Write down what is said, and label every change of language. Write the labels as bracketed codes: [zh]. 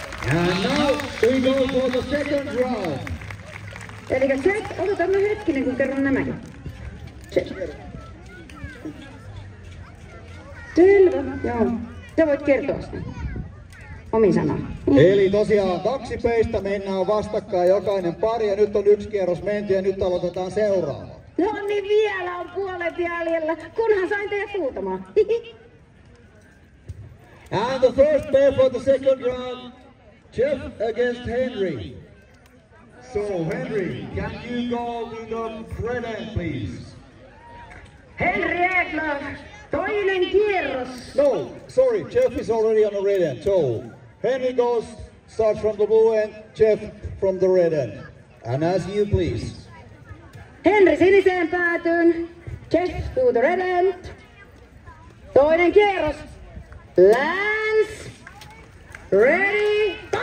[en] And now we go for the second round. [fi] Elikkä check, otetaan hetkinen, kun kerron nämäkin. Selvä, joo. Sä voit kertoa sitä. Omin sanoin. Eli tosiaan kaksi peistä mennään vastakkain jokainen pari. Ja nyt on yksi kierros menty ja nyt aloitetaan seuraava. No niin, vielä on puolet jäljellä, kunhan sain teidät huutamaan. [en] And the first pair for the second round. Jeff against Henry. So Henry, can you go to the red end, please? [fi] Henry Ekler, toinen kierros. [en] No, sorry, Jeff is already on the red end. So Henry goes, starts from the blue end, Jeff from the red end. And as you please. [fi] Henry siniseen päätyyn, Jeff [en] to the red end. [fi] Toinen kierros. [en] Lance, ready.